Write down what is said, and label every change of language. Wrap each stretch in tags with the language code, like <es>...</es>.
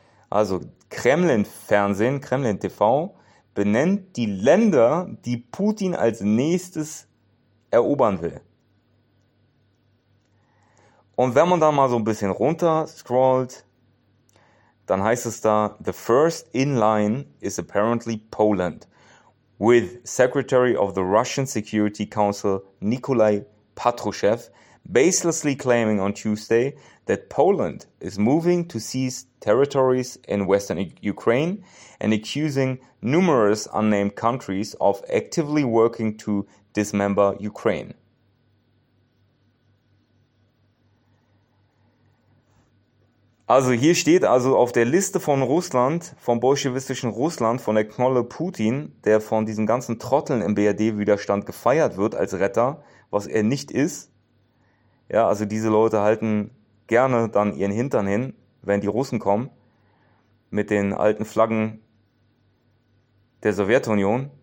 <de>Also, Kremlin-Fernsehen, Kremlin-TV benennt die Länder, die Putin als nächstes erobern will. Und wenn man da mal so ein bisschen runter scrollt, dann heißt es da:</de> <en>The first in line is apparently Poland. With Secretary of the Russian Security Council Nikolai Patrushev baselessly claiming on Tuesday that Poland is moving to seize territories in western Ukraine and accusing numerous unnamed countries of actively working to dismember Ukraine.</en> <de>Also hier steht also auf der Liste von Russland, vom bolschewistischen Russland, von der Knolle Putin, der von diesen ganzen Trotteln im BRD-Widerstand gefeiert wird als Retter, was er nicht ist. Ja, also diese Leute halten gerne dann ihren Hintern hin, wenn die Russen kommen, mit den alten Flaggen der Sowjetunion.</de>